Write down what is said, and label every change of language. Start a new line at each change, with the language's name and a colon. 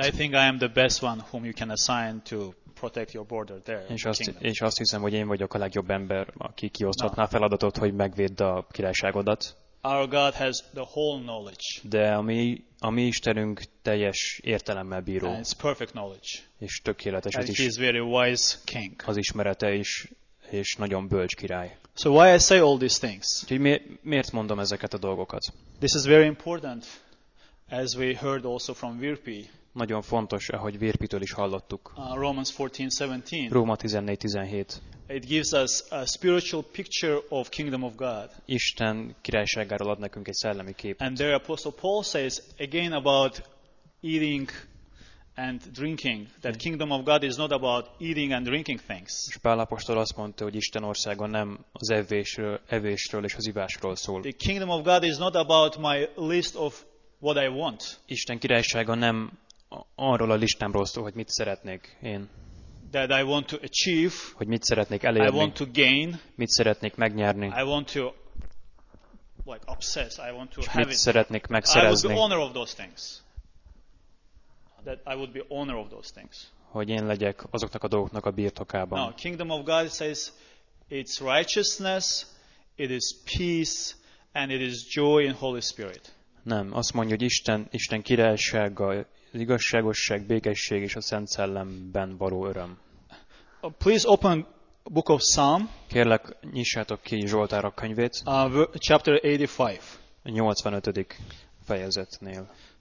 English: And I think I am the best one whom you can assign to protect your border there.
Hungarian: És azt hiszem, hogy én vagyok a legjobb ember, aki kiosztatná feladatot, hogy megvédd a királyságodat.
English: Our God has the whole knowledge.
Hungarian: De a mi Istenünk teljes értelemmel bíró.
English: And it's perfect knowledge.
Hungarian: És tökéletes.
English: And he is very wise king.
Hungarian: Az ismerete is, és nagyon bölcs király.
English: So why I say all these things?
Hungarian: Miért mondom ezeket a dolgokat?
English: This is very important, as we heard also from Virpi.
Hungarian: Nagyon fontos, ahogy Virpitől is hallottuk.
English: Romans 14:17.
Hungarian: Róma 14:17.
English: It gives us a spiritual picture of kingdom of God.
Hungarian: Isten királyságáról ad nekünk egy szellemi képet.
English: And there Apostle Paul says again about eating and drinking that kingdom of God is not about eating and drinking things.
Hungarian: És Pál apostol azt mondta, hogy Isten országa nem az evésről és az ivásról szól.
English: The kingdom of God is not about my list of what I want.
Hungarian: Isten királysága nem arról a listámról szól, hogy mit szeretnék én.
English: That I want to achieve,
Hungarian: hogy mit szeretnék elérni,
English: I want to gain,
Hungarian: mit szeretnék megnyerni,
English: I want to, like, obsess, I want to
Hungarian: és
English: have
Hungarian: mit
English: it.
Hungarian: Szeretnék megszerezni.
English: I would be owner of those things. That I would be owner of those things.
Hungarian: Hogy én legyek azoknak a dolgoknak a birtokában.
English: No, kingdom of God says it's righteousness, it is peace, and it is joy in Holy Spirit.
Hungarian: Nem, azt mondja, hogy Isten királysága az igazságosság, békesség és a Szent Szellemben való öröm.
English: Please open Book of Psalm.
Hungarian: Kérlek, nyissátok ki Zsoltárok könyvét.
English: Chapter 85.
Hungarian: A 85. fejezetnél.